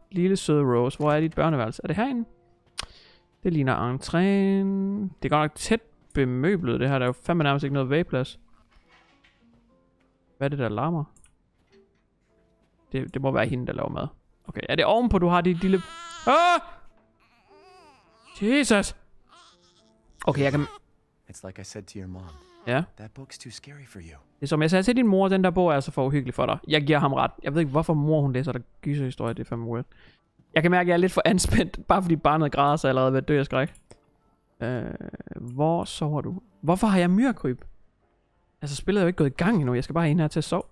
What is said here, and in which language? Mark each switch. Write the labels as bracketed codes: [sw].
[da] Lille søde Rose, hvor er dit børneværelse? Er det herinde? Det ligner entréen. Det er godt nok tæt bemøblet, det her. Der er jo fandme nærmest ikke noget vægplads. Hvad er det, der larmer? Det må være hende, der laver mad. Okay, er det ovenpå, du har dit lille... Ah! Jesus. Okay, jeg kan. [en] It's like I said to your mom. Yeah. That book's too scary for you. [da] Det er som jeg sagde til din mor, den der bog er så for uhyggelig for dig. Jeg giver ham ret. Jeg ved ikke hvorfor mor hun læser der gyserhistorie, det er fandme weird. Jeg kan mærke at jeg er lidt for anspændt, bare fordi barnet græder sig allerede ved at dø af skræk. Hvor sover du? Hvorfor har jeg myrekryb? Altså spillet er jo ikke gået i gang endnu. Jeg skal bare ind her til at sove.